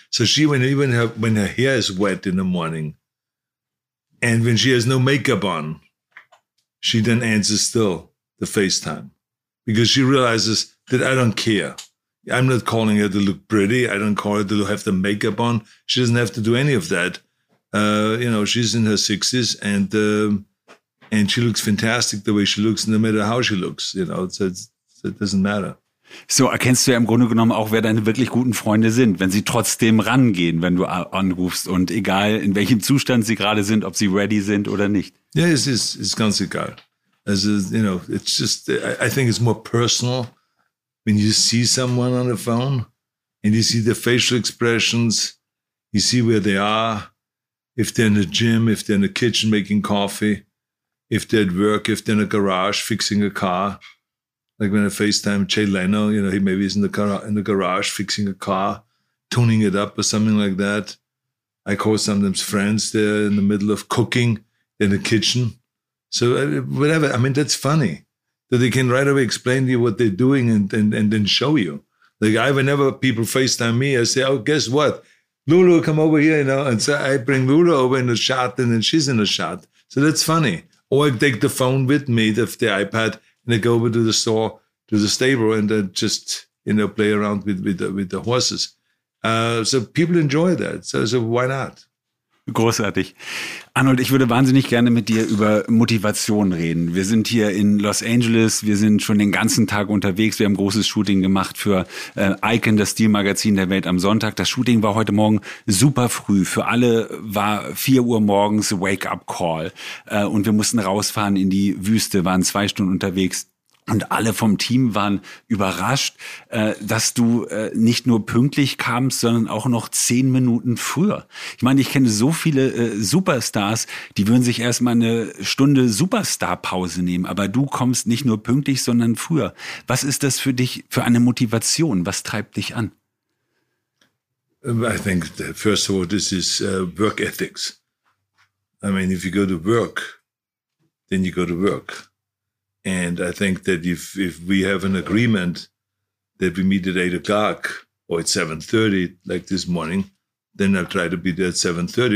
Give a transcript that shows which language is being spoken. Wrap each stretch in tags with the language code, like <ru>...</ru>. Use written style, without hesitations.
<en>So she, when her hair is wet in the morning and when she has no makeup on, she then answers still the FaceTime because she realizes that I don't care. I'm not calling her to look pretty. I don't call her to have the makeup on. She doesn't have to do any of that. She's in her 60s and she looks fantastic the way she looks, no matter how she looks. You know, it doesn't matter.</en> <de>So erkennst du ja im Grunde genommen auch, wer deine wirklich guten Freunde sind, wenn sie trotzdem rangehen, wenn du anrufst und egal in welchem Zustand sie gerade sind, ob sie ready sind oder nicht. Ja, yeah, es ist ganz egal.</de> <en>Also, you know, it's just, I think it's more personal when you see someone on the phone and you see their facial expressions, you see where they are, if they're in the gym, if they're in the kitchen making coffee, if they're at work, if they're in a garage fixing a car. Like when I FaceTime Jay Leno, you know, he maybe is in the garage fixing a car, tuning it up or something like that. I call sometimes friends there in the middle of cooking in the kitchen. So whatever. I mean, that's funny that they can right away explain to you what they're doing and then show you. Like whenever people FaceTime me, I say, oh, guess what? Lulu, come over here, you know. And so I bring Lulu over in the shot and then she's in the shot. So that's funny. Or I take the phone with me, the iPad. And I go over to the store, to the stable, and then just, you know, play around with the horses. So people enjoy that. So why not?</en> <de>Großartig. Arnold, ich würde wahnsinnig gerne mit dir über Motivation reden. Wir sind hier in Los Angeles, wir sind schon den ganzen Tag unterwegs, wir haben ein großes Shooting gemacht für Icon, das Stilmagazin der Welt am Sonntag. Das Shooting war heute Morgen super früh, für alle war 4 Uhr morgens Wake-up-Call und wir mussten rausfahren in die Wüste, waren 2 Stunden unterwegs. Und alle vom Team waren überrascht, dass du nicht nur pünktlich kamst, sondern auch noch 10 Minuten früher. Ich meine, ich kenne so viele Superstars, die würden sich erstmal eine Stunde Superstar-Pause nehmen. Aber du kommst nicht nur pünktlich, sondern früher. Was ist das für dich für eine Motivation? Was treibt dich an?</de> <en>I think the first of all, this is work ethics. I mean, if you go to work, then you go to work. And I think that if we have an agreement that we meet at 8 o'clock or at 7:30, like this morning, then I'll try to be there at 7:30.</en>